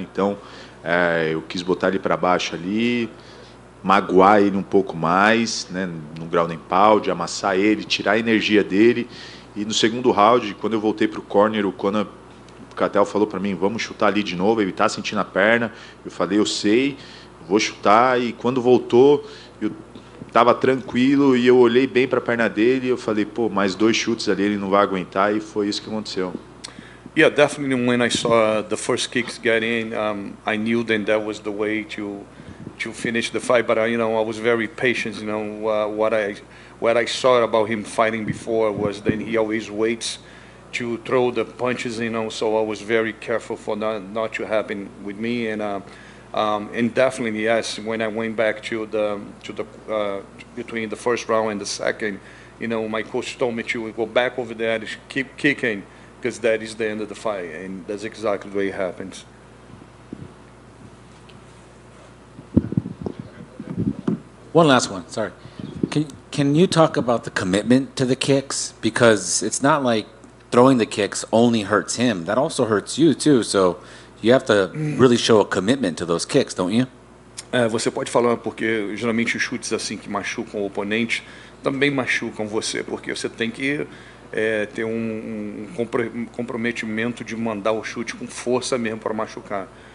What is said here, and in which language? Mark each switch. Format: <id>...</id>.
<pt>Então, eu quis botar ele para baixo ali, magoar ele um pouco mais, né, no grounding pound, amassar ele, tirar a energia dele. E no segundo round, quando eu voltei para o corner, o Conor Catel falou para mim, vamos chutar ali de novo, ele está sentindo a perna. Eu falei, eu sei, vou chutar. E quando voltou, eu estava tranquilo e eu olhei bem para a perna dele e eu falei, pô, mais dois chutes ali, ele não vai aguentar. E foi isso que aconteceu.</pt> <en>Yeah, definitely when I saw the first kicks get in, I knew then that was the way to finish the fight, but I was very patient, what I saw about him fighting before was that he always waits to throw the punches, so I was very careful for not to happen with me, and definitely, yes, when I went back between the first round and the second, my coach told me to go back over there and keep kicking, because that is the end of the fight, and that's exactly the way it happens. One last one, sorry. Can you talk about the commitment to the kicks? Because it's not like throwing the kicks only hurts him. That also hurts you, too. So you have to really show a commitment to those kicks, don't you?</en> <pt>Você pode falar, porque geralmente os chutes assim que machucam o oponente também machucam você, porque você tem que ter um comprometimento de mandar o chute com força mesmo para machucar.</pt>